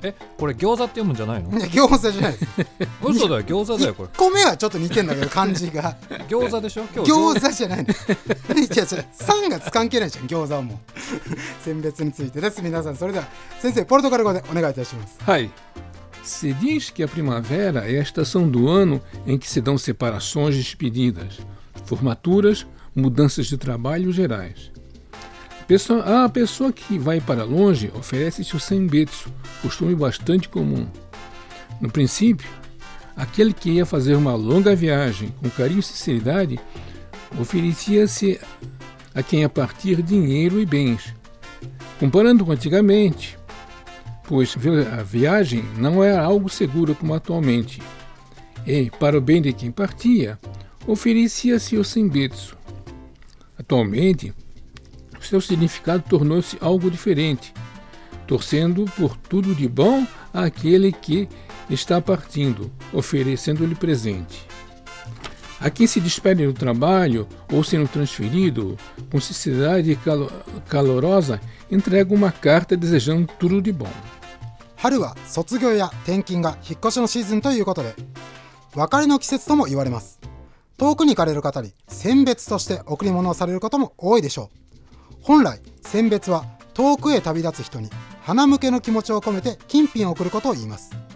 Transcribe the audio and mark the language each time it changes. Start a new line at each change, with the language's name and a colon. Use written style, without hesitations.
Japanese: え、これ餃子って読むんじゃないの？餃子じゃないです。嘘だよ、餃子だよこれ。 1個目はちょっと似てんだけど漢字が餃子でしょ。今日餃子じゃないの。いや違う、酸が関係ないじゃん餃子も。選別についてです。皆さんそれでは先生ポルトガル語でお願いいたします。はい。
Portuguese: Se diz que a primavera é a estação do ano em que se dão separações e despedidas, formaturas, mudanças de trabalho gerais. A pessoa que vai para longe oferece-se o senbetsu, costume bastante comum. No princípio, aquele que ia fazer uma longa viagem com carinho e sinceridade oferecia-se a quem ia partir dinheiro e bens. Comparando com antigamente, pois a viagem não era algo seguro como atualmente. E, para o bem de quem partia, oferecia-se o senbetsu. Atualmente, seu significado tornou-se algo diferente, torcendo por tudo de bom àquele que está partindo, oferecendo-lhe presente. A quem se despede do trabalho ou sendo transferido, com sinceridade calorosa, entrega uma carta desejando tudo de bom.
Japanese: 春は卒業や転勤が引っ越しのシーズンということで、別れの季節とも言われます。遠くに行かれる方に選別として贈り物をされることも多いでしょう。本来選別は遠くへ旅立つ人に花向けの気持ちを込めて金品を贈ることを言います。